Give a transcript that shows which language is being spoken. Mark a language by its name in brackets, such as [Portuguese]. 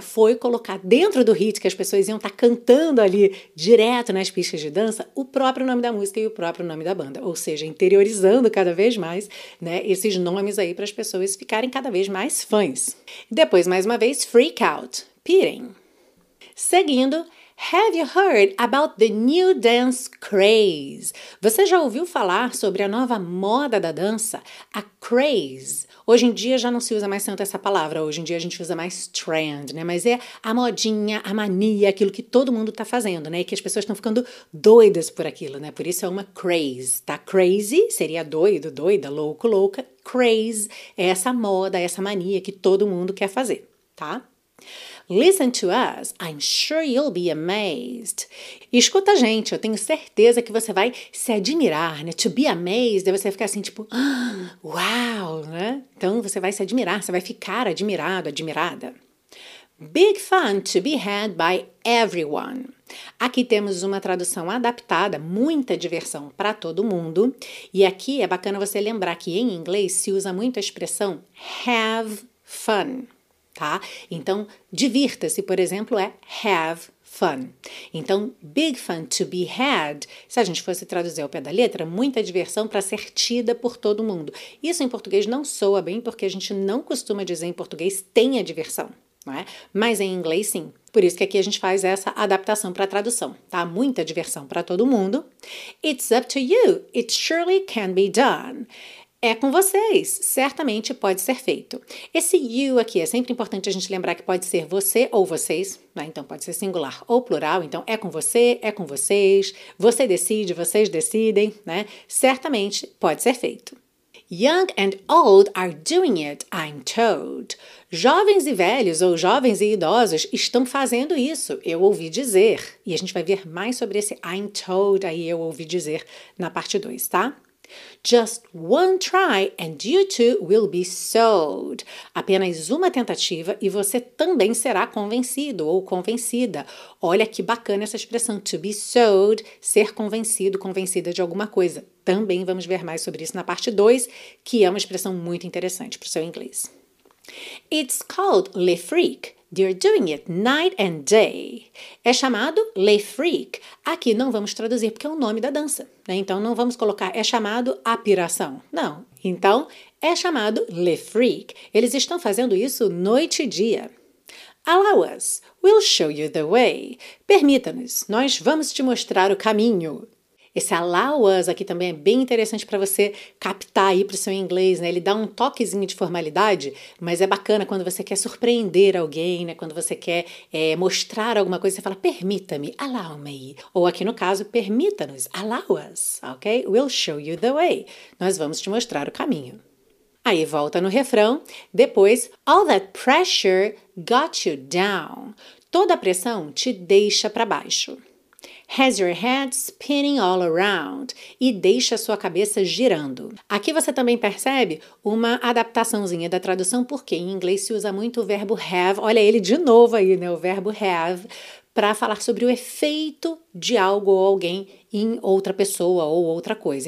[Portuguese] Foi colocar dentro do hit que as pessoas iam estar cantando ali, direto nas pistas de dança, o próprio nome da música e o próprio nome da banda. Ou seja, interiorizando cada vez mais, né, esses nomes aí para as pessoas ficarem cada vez mais fãs. Depois, mais uma vez, [English] freak out, [Portuguese] pirem. Seguindo, [English] have you heard about the new dance craze? [Portuguese] Você já ouviu falar sobre a nova moda da dança? A craze. Hoje em dia já não se usa mais tanto essa palavra. Hoje em dia a gente usa mais trend, né? Mas é a modinha, a mania, aquilo que todo mundo tá fazendo, né? E que as pessoas estão ficando doidas por aquilo, né? Por isso é uma craze, tá? Crazy seria doido, doida, louco, louca. Craze é essa moda, essa mania que todo mundo quer fazer, tá? [English] Listen to us, I'm sure you'll be amazed. [Portuguese] Escuta a gente, eu tenho certeza que você vai se admirar, né? [English] To be amazed, [Portuguese] aí você vai ficar assim, tipo, ah, uau, né? Então você vai se admirar, você vai ficar admirado, admirada. [English] Big fun to be had by everyone. [Portuguese] Aqui temos uma tradução adaptada, muita diversão para todo mundo. E aqui é bacana você lembrar que em inglês se usa muito a expressão have fun. Tá? Então, divirta-se, por exemplo, é have fun. Então, [English] big fun to be had, [Portuguese] se a gente fosse traduzir ao pé da letra, muita diversão para ser tida por todo mundo. Isso em português não soa bem, porque a gente não costuma dizer em português tenha diversão, não é? Mas em inglês, sim. Por isso que aqui a gente faz essa adaptação para a tradução, tá? Muita diversão para todo mundo. [English] It's up to you. It surely can be done. [Portuguese] É com vocês, certamente pode ser feito. Esse you aqui é sempre importante a gente lembrar que pode ser você ou vocês, né? Então pode ser singular ou plural, então é com você, é com vocês, você decide, vocês decidem, né? Certamente pode ser feito. [English] Young and old are doing it, I'm told. [Portuguese] Jovens e velhos, ou jovens e idosos, estão fazendo isso, eu ouvi dizer. E a gente vai ver mais sobre esse [English] I'm told [Portuguese] aí, eu ouvi dizer, na parte 2, tá? [English] Just one try and you too will be sold. [Portuguese] Apenas uma tentativa e você também será convencido ou convencida. Olha que bacana essa expressão, [English] to be sold, [Portuguese] ser convencido, convencida de alguma coisa. Também vamos ver mais sobre isso na parte 2, que é uma expressão muito interessante para o seu inglês. [English] It's called Le Freak. They're doing it night and day. [Portuguese] É chamado Le Freak. Aqui não vamos traduzir porque é o nome da dança, né? Então não vamos colocar é chamado a piração. Não. Então é chamado Le Freak. Eles estão fazendo isso noite e dia. [English] Allow us. We'll show you the way. [Portuguese] Permita-nos. Nós vamos te mostrar o caminho. Esse allow us aqui também é bem interessante para você captar aí para o seu inglês, né? Ele dá um toquezinho de formalidade, mas é bacana quando você quer surpreender alguém, né? Quando você quer mostrar alguma coisa, você fala, permita-me, allow me. Ou aqui no caso, permita-nos, allow us, ok? [English] We'll show you the way. [Portuguese] Nós vamos te mostrar o caminho. Aí volta no refrão, depois, [English] all that pressure got you down. [Portuguese] Toda a pressão te deixa para baixo. [English] Has your head spinning all around. [Portuguese] E deixa a sua cabeça girando. Aqui você também percebe uma adaptaçãozinha da tradução, porque em inglês se usa muito o verbo have. Olha ele de novo aí, né? O verbo have, para falar sobre o efeito de algo ou alguém em outra pessoa ou outra coisa.